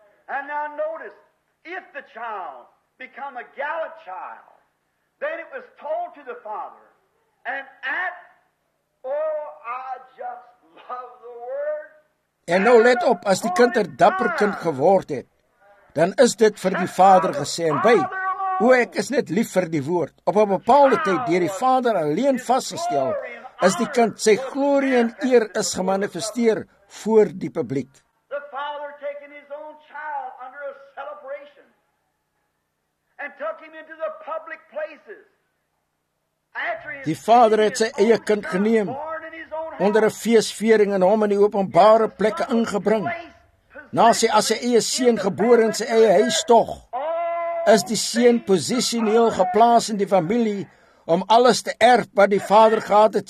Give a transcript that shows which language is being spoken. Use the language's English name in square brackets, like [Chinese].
[Afrikaans] En nou [English] notice, if the child become a gallant child, then it was told to the Father, and at, oh, I just love the word. [Afrikaans] En nou let op, as die kind 'n dapper kind geword het, dan is dit vir die Vader gesê en by, o ek is net lief vir die woord. Op 'n bepaalde tyd deur die Vader alleen vasgestel, is die kind sy glorie en eer is gemanifesteer voor die publiek. [English] The Father taking his own child under a celebration and took him into the public places. [Afrikaans] Die Vader het sy eie kind geneem onder 'n feesviering en hom in die openbare plekke ingebring. Na sy as sy eie seun gebore in sy eie huis tog, is die seun posisioneel geplaas in die familie om alles te erf wat die Vader gehad het.